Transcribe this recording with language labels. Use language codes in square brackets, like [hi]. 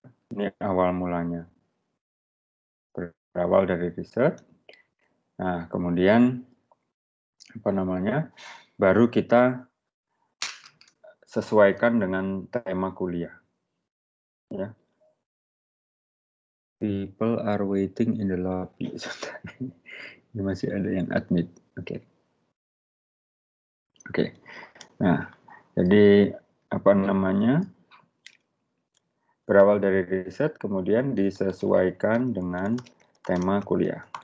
[id] Ini awal mulanya. Berawal dari riset. Nah, kemudian apa namanya? Baru kita sesuaikan dengan tema kuliah. Ya. [en] People are waiting in the lobby. [id] Ini masih ada yang admit. Oke. Oke. Nah, jadi apa namanya? Berawal dari riset, kemudian disesuaikan dengan tema kuliah.